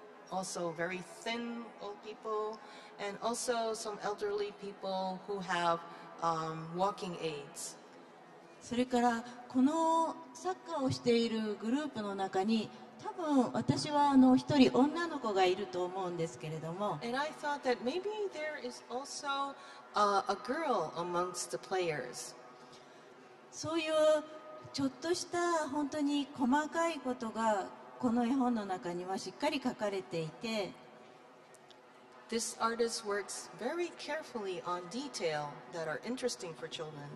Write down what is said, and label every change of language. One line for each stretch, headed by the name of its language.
English: Also very thin old people and also some elderly people who have walking aids.
Japanese: それからこのサッカーをしているグループの中に多分私は一人女の子がいると思うんですけれども、
English: And I thought that maybe there is also a girl amongst the players.
Japanese: そういうちょっとした本当に細かいことがこの絵本の中にはしっかり書かれていて、
English: This artist works very carefully on detail that are interesting for children.